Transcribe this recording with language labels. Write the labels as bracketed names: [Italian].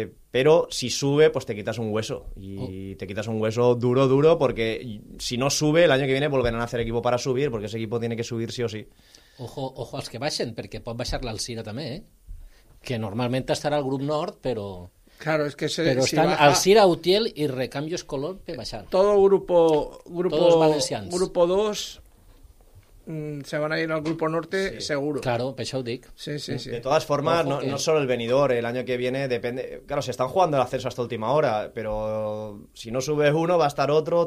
[Spanish] Pero si sube, pues te quitas un hueso. Te quitas un hueso duro, duro, porque si no sube, el año que viene volverán a hacer equipo para subir, porque ese equipo tiene que subir sí o sí. [Catalan] Ojo als que baixen, perquè pot baixar l'Alzira també, que normalment estarà al grup nord, però... [Spanish] Claro, es que se, pero si están Alcira, Utiel y Recambios Color de Bachar. Todo grupo todos valencians. Grupo 2 se van a ir al grupo norte, sí, seguro. Claro, Peixaudic. Sí, sí, sí. De todas formas, no solo el Benidorm, el año que viene depende. Claro, se están jugando el ascenso hasta última hora, pero si no sube uno, va a estar otro.